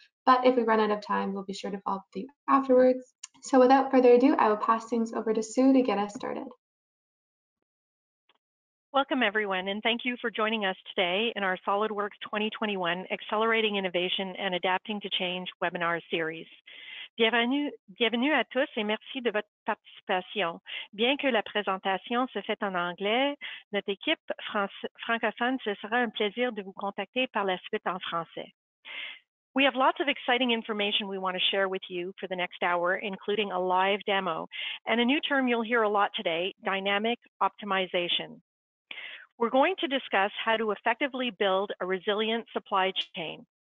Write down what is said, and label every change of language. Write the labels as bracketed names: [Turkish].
[English] But if we run out of time, we'll be sure to follow up with you afterwards. So without further ado, I will pass things over to Sue to get us started. Welcome, everyone, and thank you for joining us today in our SOLIDWORKS 2021 Accelerating Innovation and Adapting to Change webinar series. [French] Bienvenue à tous et merci de votre participation. Bien que la présentation se fait en anglais, notre équipe francophone, ce sera un plaisir de vous contacter par la suite en français. [English] We have lots of exciting information we want to share with you for the next hour, including a live demo and a new term you'll hear a lot today, dynamic optimization. We're going to discuss how to effectively build a resilient supply chain.